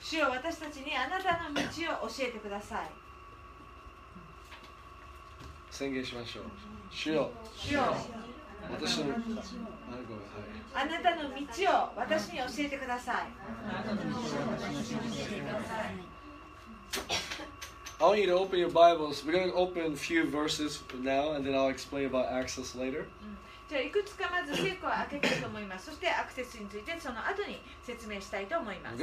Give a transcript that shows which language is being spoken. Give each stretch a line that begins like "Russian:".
Japanese: 主よ、私たちにあなたの道を教えてください。宣言しましょう。主よ、主よ、私の、あ、ごめん、はい。あなたの道を私に教えてください。
English: I want you to open your Bibles. We're going to open a few verses now, and then I'll explain about access later.
Japanese: じゃあいくつかまず聖句を開けたいと思います。そしてアクセスについてその後に説明したいと思います。